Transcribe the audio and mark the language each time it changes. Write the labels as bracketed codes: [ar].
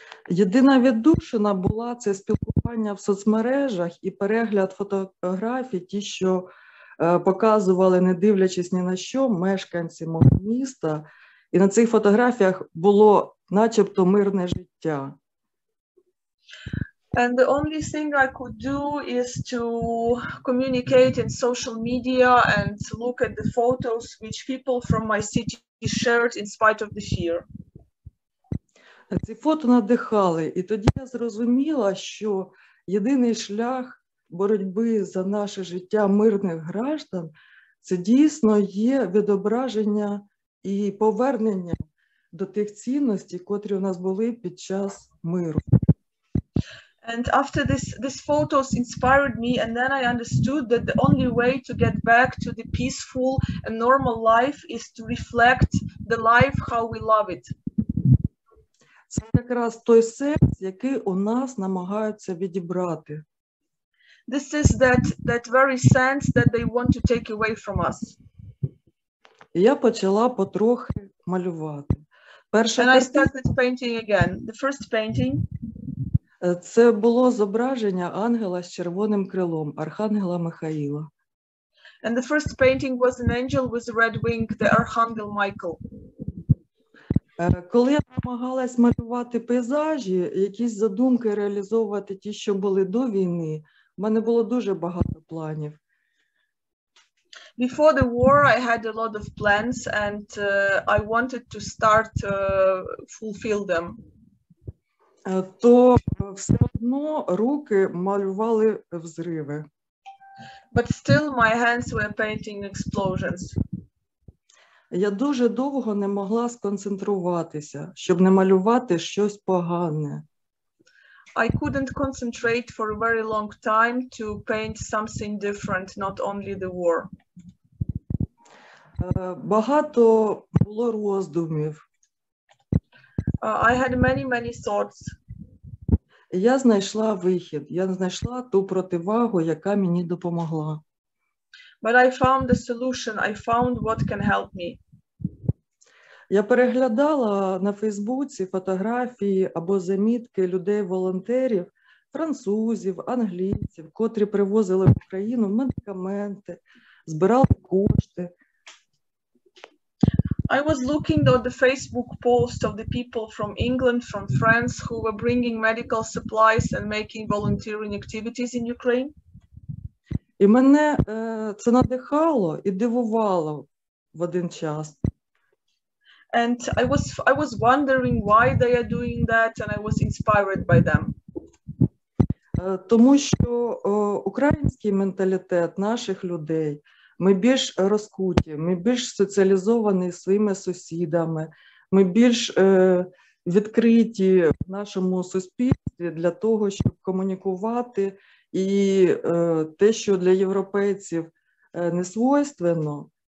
[uk] Єдина віддушина була це спілкування в соцмережах і перегляд фотографій, ті, що показували, не дивлячись ні на що, мешканці мого міста. І на цих фотографіях було начебто мирне життя. [en] And the only thing I could do is to communicate in social media and to look at the photos which people from my city shared in spite of the fear. [uk] Ці фото надихали, і тоді я зрозуміла, що єдиний шлях боротьби за наше життя мирних граждан це дійсно є відображення і повернення до тих цінностей, котрі у нас були під час миру. [en] And after this photos inspired me and then I understood that the only way to get back to the peaceful and normal life is to reflect the life how we love it. [uk] Це якраз той сенс, який у нас намагаються відібрати. [en] This is that very sense that they want to take away from us. [uk] Я почала потрохи малювати. Перша картина. [en] And I started painting again. The first painting. [uk] Це було зображення ангела з червоним крилом, Архангела Михаїла. [en] And the first painting was an angel with a red wing, the Archangel Michael. [uk] Коли я намагалась малювати пейзажі, якісь задумки реалізовувати ті, що були до війни, в мене було дуже багато планів. [en] Before the war I had a lot of plans and I wanted to start fulfill them. [uk] То все одно руки малювали взриви. [en] But still my hands were painting explosions. [uk] Я дуже довго не могла сконцентруватися, щоб не малювати щось погане. [en] I couldn't concentrate for a very long time to paint something different, not only the war. [uk] Багато було роздумів. [en] I had many thoughts. [uk] Я знайшла вихід, я знайшла ту противагу, яка мені допомогла. [en] But I found a solution. I found what can help me. [uk] Я переглядала на Фейсбуці фотографії або замітки людей-волонтерів, французів, англійців, котрі привозили в Україну медикаменти, збирали кошти. [en] I was looking at the Facebook post of the people from England, from France, who were bringing medical supplies and making volunteering activities in Ukraine. [uk] І мене це надихало і дивувало в один час. [en] And I was wondering why they are doing that, and I was inspired by them. [uk] Тому що український менталітет наших людей, ми більш розкуті, ми більш соціалізовані своїми сусідами, ми більш відкриті в нашому суспільстві для того, щоб комунікувати, і те, що для європейців не свойственно.